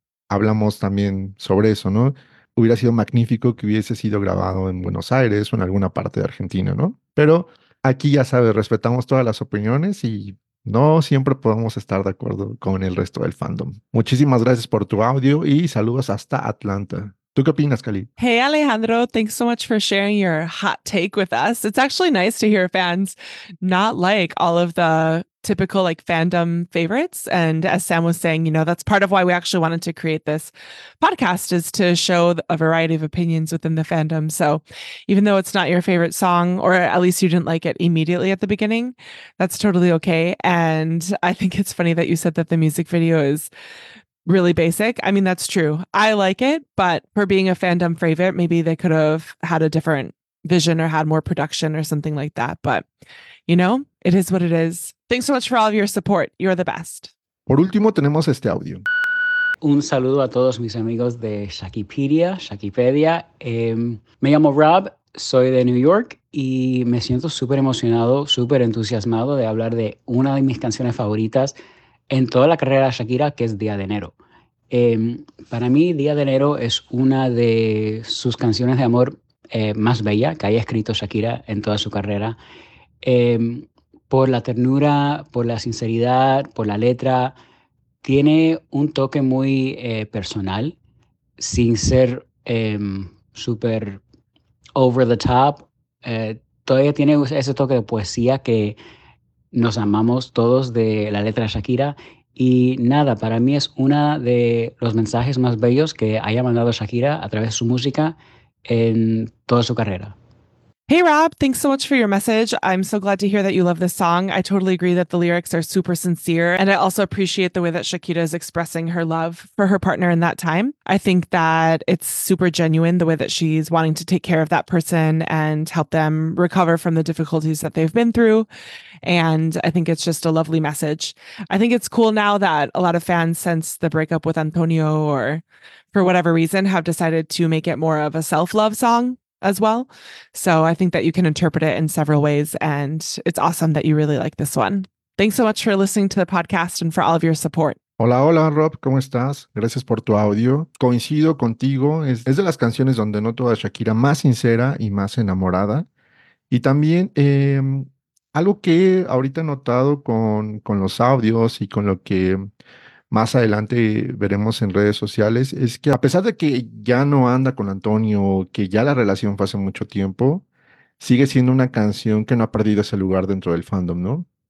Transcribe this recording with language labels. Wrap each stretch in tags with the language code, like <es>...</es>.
<es>Hablamos también sobre eso, ¿no? Hubiera sido magnífico que hubiese sido grabado en Buenos Aires o en alguna parte de Argentina, ¿no? Pero aquí, ya sabes, respetamos todas las opiniones y no siempre podemos estar de acuerdo con el resto del fandom. Muchísimas gracias por tu audio y saludos hasta Atlanta. ¿Tú qué opinas, Cali?</es> <en>Hey, Alejandro. Thanks so much for sharing your hot take with us. It's actually nice to hear fans not like all of the typical like fandom favorites. And as Sam was saying, you know, that's part of why we actually wanted to create this podcast, is to show a variety of opinions within the fandom. So even though it's not your favorite song, or at least you didn't like it immediately at the beginning, that's totally okay. And I think it's funny that you said that the music video is really basic. I mean, that's true. I like it, but for being a fandom favorite, maybe they could have had a different vision or had more production or something like that. But, you know, it is what it is. Thanks so much for all of your support. You're the best.</en> <es>Por último, tenemos este audio. Un saludo a todos mis amigos de Shakipedia. Me llamo Rob, soy de New York y me siento súper emocionado, súper entusiasmado de hablar de una de mis canciones favoritas en toda la carrera de Shakira, que es Día de Enero. Para mí, Día de Enero es una de sus canciones de amor más bella que haya escrito Shakira en toda su carrera. Por la ternura, por la sinceridad, por la letra, tiene un toque muy personal, sin ser súper</es> <en>over the top.</en> <es>Todavía tiene ese toque de poesía que nos amamos todos de la letra de Shakira. Y nada, para mí es uno de los mensajes más bellos que haya mandado Shakira a través de su música en toda su carrera.</es> <en>Hey, Rob, thanks so much for your message. I'm so glad to hear that you love this song. I totally agree that the lyrics are super sincere. And I also appreciate the way that Shakira is expressing her love for her partner in that time. I think that it's super genuine, the way that she's wanting to take care of that person and help them recover from the difficulties that they've been through. And I think it's just a lovely message. I think it's cool now that a lot of fans, since the breakup with Antonio or for whatever reason, have decided to make it more of a self-love song as well. So I think that you can interpret it in several ways. And it's awesome that you really like this one. Thanks so much for listening to the podcast and for all of your support.</en> <es>Hola, hola, Rob. ¿Cómo estás? Gracias por tu audio. Coincido contigo. Es de las canciones donde noto a Shakira más sincera y más enamorada. Y también algo que ahorita he notado con los audios y con lo que más adelante veremos en redes sociales, es que a pesar de que ya no anda con Antonio, que ya la relación fue hace mucho tiempo, sigue siendo una canción que no ha perdido ese lugar dentro del fandom, ¿no?</es>